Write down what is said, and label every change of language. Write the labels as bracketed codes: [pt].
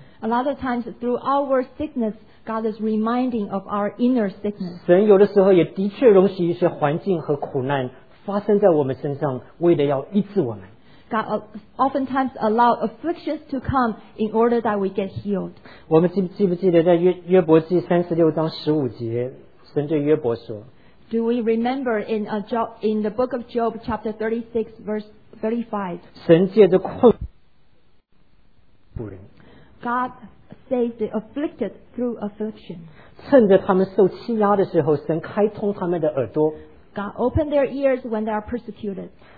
[en] A lot of times through our sickness, God is reminding of our inner sickness. [zh] 神有的时候也的确容许一些环境和苦难 发生在我们身上，为了要医治我们。 [en] God oftentimes allow afflictions to come in order that we get healed. [zh] 我们记不记得在约伯记36章15节，神对约伯说？ [en] Do we remember in the book of Job, chapter 36, verse 35? [zh] 神借着困苦人。 [en] God saves the afflicted through affliction. [zh] 趁着他们受欺压的时候，神开通他们的耳朵。 [en] God open their ears when they are persecuted.